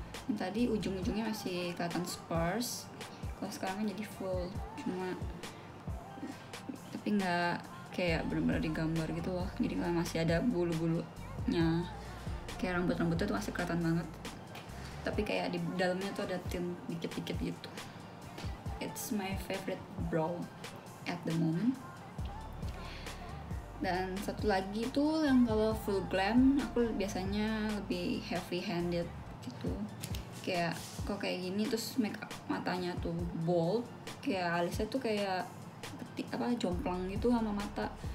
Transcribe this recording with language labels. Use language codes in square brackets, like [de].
[id] Yang tadi ujung-ujungnya masih kelihatan sparse. Kalau sekarang jadi full, cuma tapi nggak kayak benar-benar digambar gitu loh. Jadi kalau masih ada bulu-bulunya, kayak rambut-rambutnya tuh masih kelihatan banget. Tapi kayak di dalamnya tuh ada tint dikit-dikit gitu. [en] It's my favorite brow at the moment. [id] Dan satu lagi tuh yang kalau full glam, aku biasanya lebih heavy-handed gitu. Kayak kok kayak gini terus make up matanya tuh bold, kayak alisnya tuh kayak peti, apa jomplang gitu sama mata.